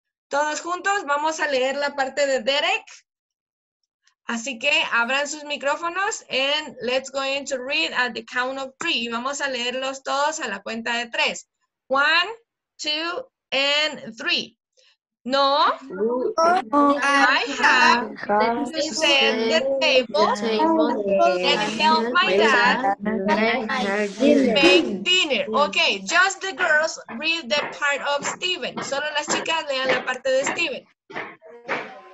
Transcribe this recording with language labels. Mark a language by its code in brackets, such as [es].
[es] Todos juntos vamos a leer la parte de Derek. Así que abran sus micrófonos [en] and let's go in to read at the count of three. [es] Y vamos a leerlos todos a la cuenta de tres. [en] One, two, and three. No, I have to set the table and help my dad make dinner. Okay, just the girls read the part of Steven. [es] Solo las chicas lean la parte de Steven.